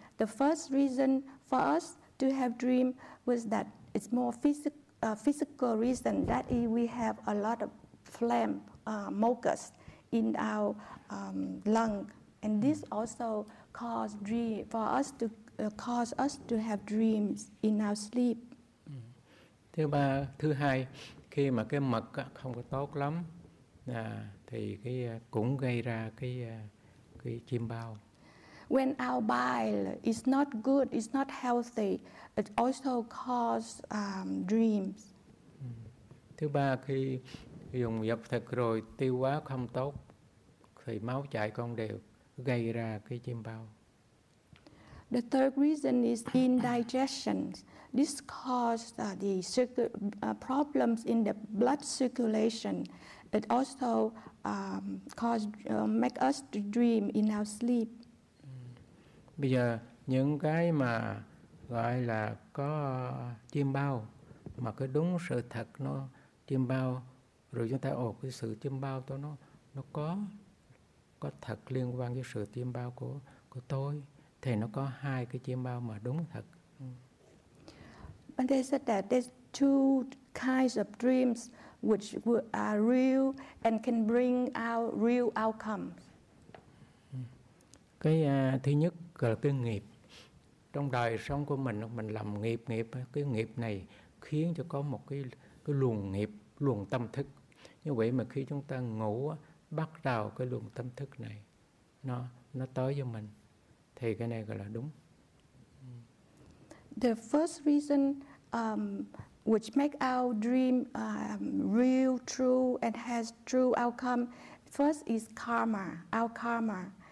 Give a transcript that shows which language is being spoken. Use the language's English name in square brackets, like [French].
[English] The first reason for us to have dream was that it's more physical reason, that is we have a lot of phlegm, mucus in our lung. And this also caused dream for us to cause us to have dreams in our sleep. [Vietnamese] Thứ hai, khi mà cái mật không có tốt lắm thì cái cũng gây ra cái chiêm bao. [English] When our bile is not good, it's not healthy, it also causes dreams. [Vietnamese] Thứ ba, khi dùng dập thực rồi tiêu hóa không tốt thì máu chảy không đều, gây ra cái chiêm bao. [English] The third reason is indigestion. This causes problems in the blood circulation. It also make us to dream in our sleep. [Vietnamese] Bây giờ những cái mà gọi là có chiêm bao mà cái đúng sự thật nó chiêm bao, rồi chúng ta cái sự chiêm bao đó nó có thật liên quan với sự chiêm bao của tôi, thì nó có hai cái chiêm bao mà đúng thật. [English] But they said that there's two kinds of dreams which are real and can bring out real outcomes. [Vietnamese] Cái thứ nhất là cái nghiệp. Trong đời sống của mình làm nghiệp, cái nghiệp này khiến cho có một cái luồng nghiệp, luồng tâm thức. Như vậy mà khi chúng ta ngủ, bắt đầu cái luồng tâm thức này, nó tới cho mình, thì cái này gọi là đúng. [English] The first reason which make our dream real, true, and has true outcome, first is karma, our karma.